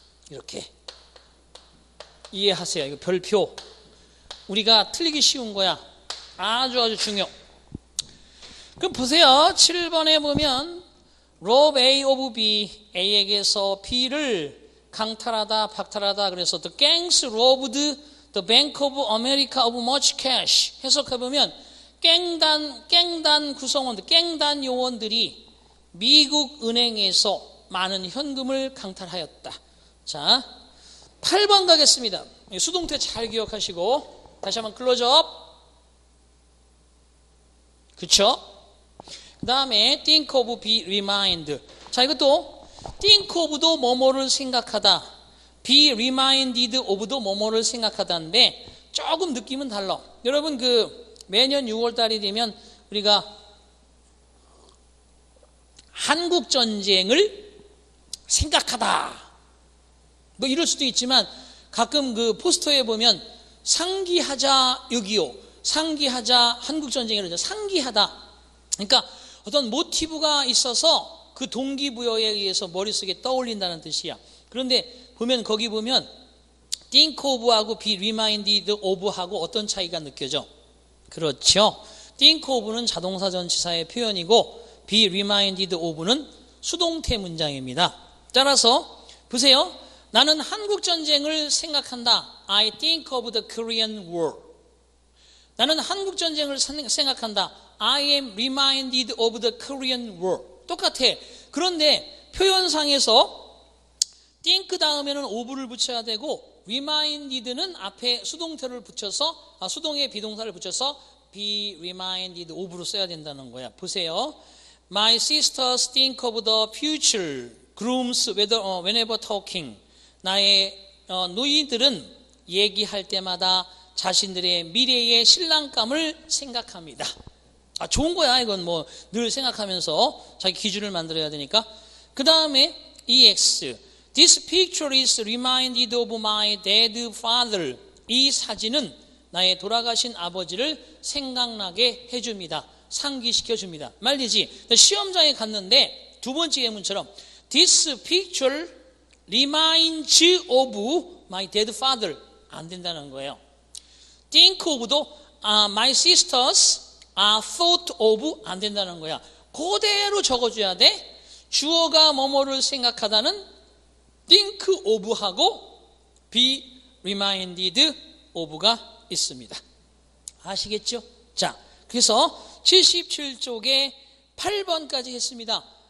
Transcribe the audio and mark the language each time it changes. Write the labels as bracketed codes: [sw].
[ko] 이렇게 이해하세요. 이거 별표. 우리가 틀리기 쉬운 거야. 아주 아주 중요. 그럼 보세요. 7번에 보면 rob A of B, A에게서 B를 강탈하다 박탈하다. 그래서 [en] the gangs robbed the Bank of America of much cash. [ko] 해석해보면 깽단 구성원들, 깽단 요원들이 미국 은행에서 많은 현금을 강탈하였다. 자, 8번 가겠습니다. 수동태 잘 기억하시고 다시 한번 클로즈업. 그쵸? 그 다음에 think of, be, remind. 자, 이것도 think of도 뭐뭐를 생각하다, be reminded of도 뭐뭐를 생각하다인데 조금 느낌은 달라. 여러분, 그 매년 6월달이 되면 우리가 한국전쟁을 생각하다 뭐 이럴 수도 있지만, 가끔 그 포스터에 보면 상기하자 6.25, 상기하자 한국전쟁, 이러죠. 상기하다. 그러니까 어떤 모티브가 있어서 그 동기부여에 의해서 머릿속에 떠올린다는 뜻이야. 그런데 보면, 거기 보면 think of하고 be reminded of하고 어떤 차이가 느껴져? 그렇죠. think of는 자동사 전치사의 표현이고 be reminded of는 수동태 문장입니다. 따라서 보세요. 나는 한국 전쟁을 생각한다. [en] I think of the Korean War. [ko] 나는 한국 전쟁을 생각한다. [en] I am reminded of the Korean War. [ko] 똑같아. 그런데 표현상에서 think 다음에는 of를 붙여야 되고 reminded는 앞에 수동태를 붙여서, 수동의 비동사를 붙여서 be reminded of로 써야 된다는 거야. 보세요. [en] My sisters think of the future. Grooms whenever talking. [ko] 나의 누이들은 얘기할 때마다 자신들의 미래의 신랑감을 생각합니다. 아, 좋은 거야. 이건 뭐 늘 생각하면서 자기 기준을 만들어야 되니까. 그 다음에 EX. [en] This picture is reminded of my dead father. [ko] 이 사진은 나의 돌아가신 아버지를 생각나게 해줍니다. 상기시켜줍니다. 말이지. 시험장에 갔는데 두 번째 예문처럼 [en] This picture reminds of my dead father. [ko] 안 된다는 거예요. [en] Think of도 my sisters are thought of. [ko] 안 된다는 거야. 그대로 적어줘야 돼. 주어가 뭐뭐를 생각하다는 think of 하고 be reminded of가 있습니다. 아시겠죠? 자, 그래서 77쪽에 8번까지 했습니다.